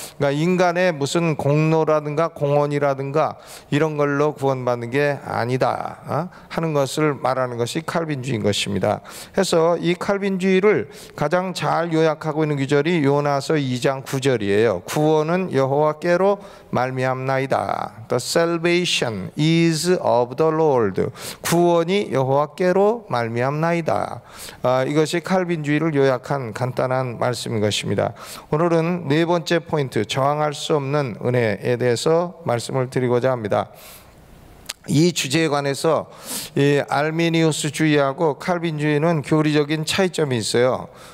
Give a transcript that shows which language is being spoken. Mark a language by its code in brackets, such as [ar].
[ko] 그러니까 인간의 무슨 공로라든가 공헌이라든가 이런 걸로 구원받는 게 아니다 하는 것을 말하는 것이 칼빈주의인 것입니다. 해서 이 칼빈주의를 가장 잘 요약하고 있는 구절이 요나서 2장 9절이에요. 구원은 여호와께로 말미암나이다. [en] The salvation is of the Lord. [ko] 구원이 여호와께로 말미암나이다. 이것이 칼빈주의를 요약한 간단한 말씀인 것입니다. 오늘은 네 번째 포인트, 저항할 수 없는 은혜에 대해서 말씀을 드리고자 합니다. 이 주제에 관해서 이 알미니우스 주의하고 칼빈주의는 교리적인 차이점이 있어요.